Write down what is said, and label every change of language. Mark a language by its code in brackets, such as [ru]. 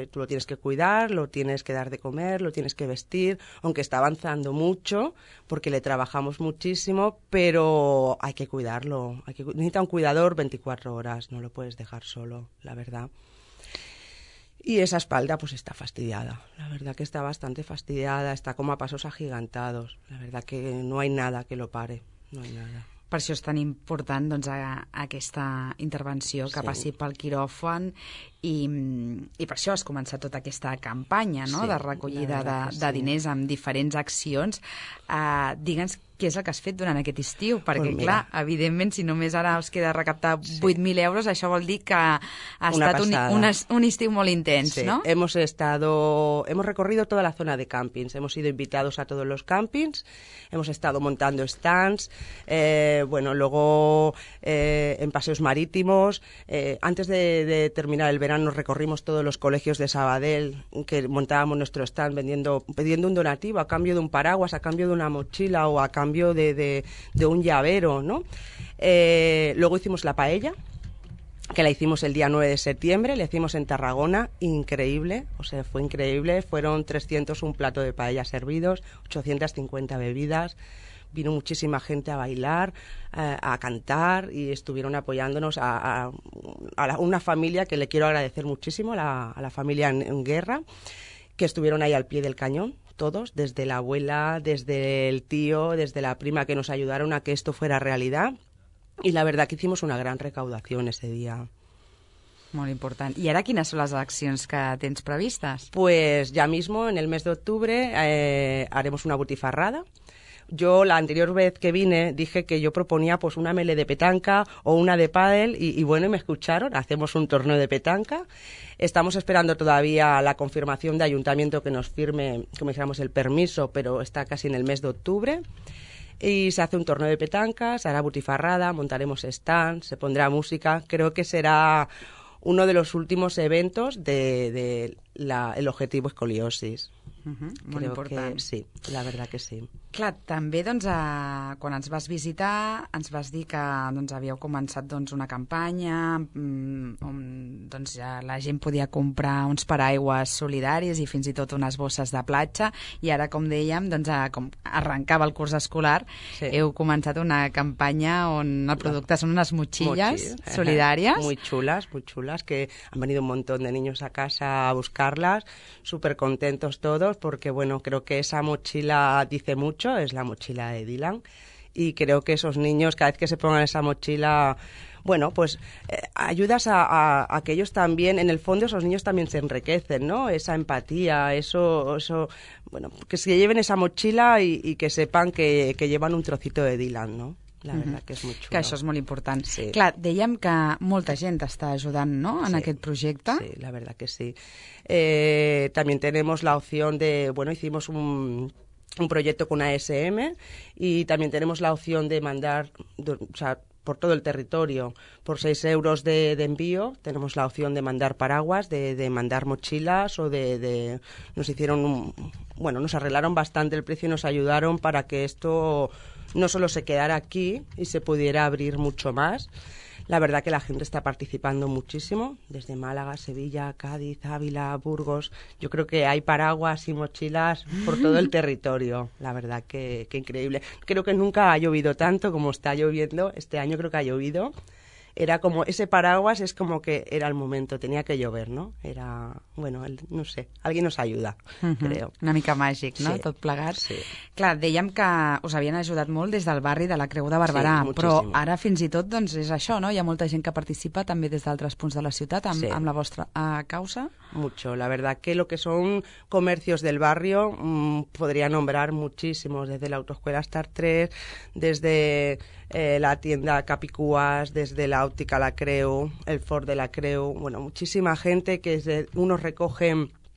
[es] Tú lo tienes que cuidar, lo tienes que dar de comer, lo tienes que vestir, aunque está avanzando mucho, porque le trabajamos muchísimo, pero hay que cuidarlo. Necesita un cuidador 24 horas, no lo puedes dejar solo, la verdad. Y esa espalda pues está fastidiada, la verdad que está bastante fastidiada, está como a pasos agigantados, la verdad que no hay nada que lo pare, no hay nada. [ca] Per això és tan important doncs, aquesta intervenció, que sí, passi pel quiròfan I per això has començat tota aquesta campanya, no? Sí, de recollida de diners amb diferents accions. Digue'ns què és el que has fet durant aquest estiu, perquè, pues clar, evidentment, si només ara els queda recaptar 8.000 euros, això vol dir que ha estat un estiu molt intens, sí, no? [es] Sí, hemos recorrido toda la zona de campings, hemos sido invitados a todos los campings, hemos estado montando stands, luego en paseos marítimos, antes de terminar el verano recorrimos todos los colegios de Sabadell, que montábamos nuestro stand pidiendo un donativo a cambio de un paraguas, a cambio de una mochila o a cambio de un llavero, ¿no? Luego hicimos la paella, que la hicimos el día 9 de septiembre, la hicimos en Tarragona, increíble, o sea, fue increíble, fueron 301 platos de paella servidos, 850 bebidas, vino muchísima gente a bailar, a cantar, y estuvieron apoyándonos una familia que le quiero agradecer muchísimo, a la familia en guerra, que estuvieron ahí al pie del cañón, todos, desde la abuela, desde el tío, desde la prima, que nos ayudaron a que esto fuera realidad. Y la verdad que hicimos una gran recaudación ese día. [ca] Molt important. I ara quines són les accions que tens previstes? [es] Pues ya mismo, en el mes de octubre, haremos una botifarrada. Yo la anterior vez que vine dije que yo proponía pues una mele de petanca o una de pádel y bueno, y me escucharon, hacemos un torneo de petanca. Estamos esperando todavía la confirmación de ayuntamiento que nos firme, como dijéramos, el permiso, pero está casi en el mes de octubre. Y se hace un torneo de petanca, se hará butifarrada, montaremos stand, se pondrá música. Creo que será uno de los últimos eventos del objetivo escoliosis. [ca] Uh-huh, molt [es] Creo [ca] important. [es] Que, sí, la verdad que sí. [ca] Clar, també doncs, quan ens vas visitar ens vas dir que doncs, havíeu començat doncs, una campanya on doncs, ja la gent podia comprar uns paraigües solidaris i fins i tot unes bosses de platja, i ara, com dèiem, doncs, com arrencava el curs escolar, sí, heu començat una campanya on el producte són unes motxilles solidàries. [es] Muy chulas, que han venido un montón de niños a casa a buscarlas, súper contentos todos, porque bueno, creo que esa mochila dice mucho, es la mochila de Dylan, y creo que esos niños cada vez que se pongan esa mochila, bueno, pues ayudas a que ellos también, en el fondo esos niños también se enriquecen, ¿no? Esa empatía, eso bueno, que se lleven esa mochila y que sepan que llevan un trocito de Dylan, ¿no? La verdad que [ca] és molt xulo. Que això és molt important. Sí. Clar, dèiem que molta gent està ajudant, no?, en aquest projecte. [es] Sí, la verdad que sí. También tenemos la opción de... Bueno, hicimos un proyecto con ASM y también tenemos la opción de mandar por todo el territorio. Por 6 euros de envío tenemos la opción de mandar paraguas, de mandar mochilas o de nos hicieron nos arreglaron bastante el precio y nos ayudaron para que esto no solo se quedara aquí y se pudiera abrir mucho más. La verdad que la gente está participando muchísimo, desde Málaga, Sevilla, Cádiz, Ávila, Burgos. Yo creo que hay paraguas y mochilas por todo el territorio. La verdad que increíble. Creo que nunca ha llovido tanto como está lloviendo. Este año creo que ha llovido. Era como ese paraguas, es como que era el momento, tenía que llover, ¿no? Era, bueno, no sé, alguien nos ayuda, creo. [ca] Una mica màgic, no? Sí, tot plegat. Sí. Clar, dèiem que us havien ajudat molt des del barri de la Creu de Barberà, sí, però ara fins i tot doncs és això, no? Hi ha molta gent que participa també des d'altres punts de la ciutat amb la vostra causa. [es] Mucho, la verdad que lo que son comercios del barrio, podría nombrar muchísimos, desde la autoescuela Star 3, desde la tienda Capicúas, desde la óptica La Creu, el Ford de La Creu, bueno, muchísima gente que es unos recogen